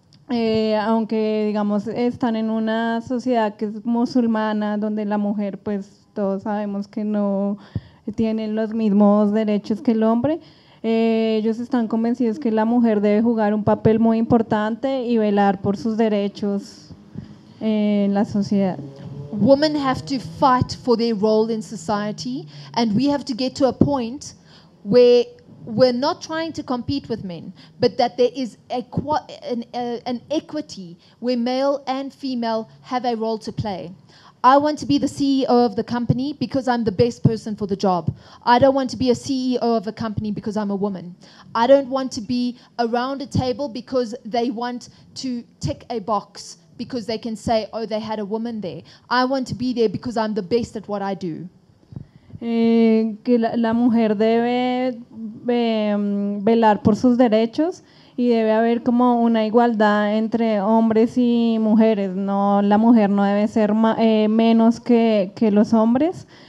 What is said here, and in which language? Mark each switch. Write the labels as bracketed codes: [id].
[es] Aunque digamos están en una sociedad que es musulmana, donde la mujer pues todos sabemos que no tienen los mismos derechos que el hombre. Ellos están convencidos que la mujer debe jugar un papel muy importante y velar por sus derechos en la sociedad. [en] Women have to fight for their role in society, and we have to get to a point where we're not trying to compete with men, but that there is an equity where male and female have a role to play. I want to be the CEO of the company because I'm the best person for the job. I don't want to be a CEO of a company because I'm a woman. I don't want to be around a table because they want to tick a box because they can say, oh, they had a woman there. I want to be there because I'm the best at what I do. [es] Que la mujer debe velar por sus derechos. Y debe haber como una igualdad entre hombres y mujeres. No, la mujer no debe ser menos que los hombres.